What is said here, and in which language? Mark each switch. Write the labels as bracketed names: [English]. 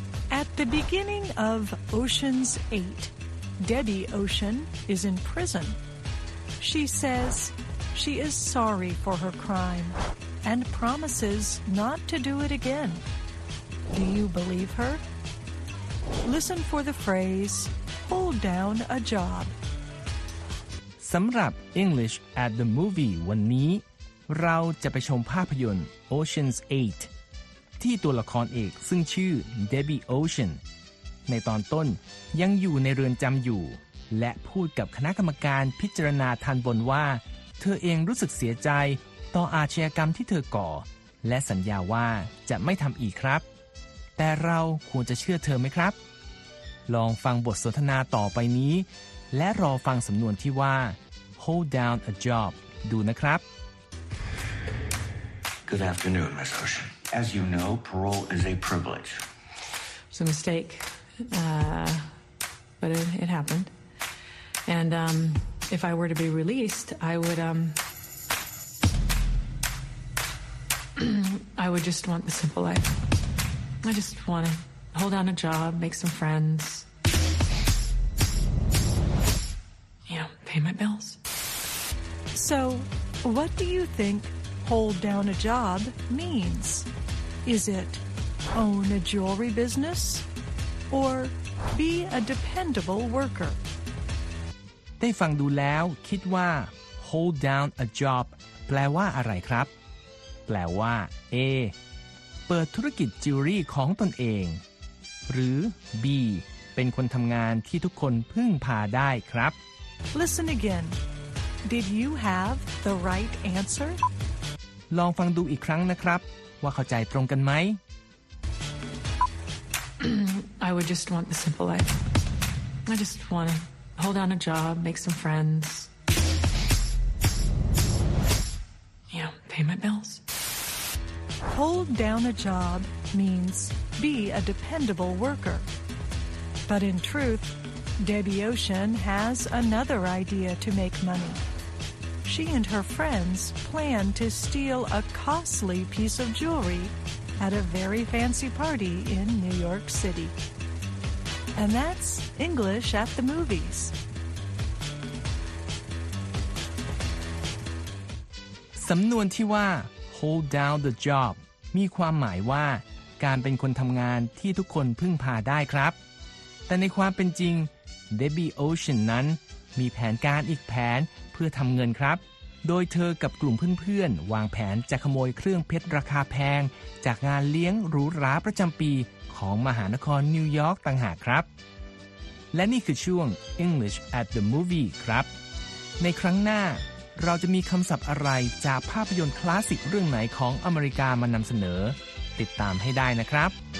[English] At the beginning of Ocean's 8, Debbie Ocean is in prison. She says she is sorry for her crime and promises not to do it again. Do you believe her? Listen for the phrase, hold down a job. [Thai] สำหรับ English at the Movie วันนี้เราจะไปชมภาพยนตร์ Ocean's 8ที่ตัวละครเอกซึ่งชื่อ Debbie Ocean ในตอนต้นยังอยู่ในเรือนจำอยู่และพูดกับคณะกรรมการพิจารณาทัณฑ์บนว่าเธอเองรู้สึกเสียใจต่ออาชญากรรมที่เธอก่อและสัญญาว่าจะไม่ทำอีกครับ แต่เราควรจะเชื่อเธอไหมครับลองฟังบทสนทนาต่อไปนี้และรอฟังสำนวนที่ว่า hold down a job ดูนะครับ [English] Good afternoon, Miss Ocean. As you know, parole is a privilege. It's a mistake, but it happened. And if I were to be released, I would just want the simple life. I just want to hold down a job, make some friends. Pay my bills. So, what do you think hold down a job means? Is it own a jewelry business or be a dependable worker? [Thai] ได้ฟังดูแล้วคิดว่า hold down a job แปลว่าอะไรครับแปลว่า A เปิดธุรกิจจิวเวลรี่ของตนเองหรือ B เป็นคนทำงานที่ทุกคนพึ่งพาได้ครับ [English] Listen again. Did you have the right answer? [Thai] ลองฟังดูอีกครั้งนะครับว่าเข้าใจตรงกันไหม [English] I would just want the simple life. I just want to hold down a job, make some friends. You know, pay my bills. Hold down a job means be a dependable worker. But in truth,Debbie Ocean has another idea to make money. She and her friends plan to steal a costly piece of jewelry at a very fancy party in New York City. And that's English at the Movies. [Thai] สำนวนที่ว่า hold down the job มีความหมายว่าการเป็นคนทำงานที่ทุกคนพึ่งพาได้ครับแต่ในความเป็นจริงDebbie Ocean นั้น มีแผนการอีกแผนเพื่อทำเงินครับโดยเธอกับกลุ่มเพื่อนๆวางแผนจะขโมยเครื่องเพชรราคาแพงจากงานเลี้ยงหรูหราประจำปีของมหานครนิวยอร์กต่างหากครับและนี่คือช่วง English at the Movie ครับในครั้งหน้าเราจะมีคำศัพท์อะไรจากภาพยนตร์คลาสสิกเรื่องไหนของอเมริกามานำเสนอติดตามให้ได้นะครับ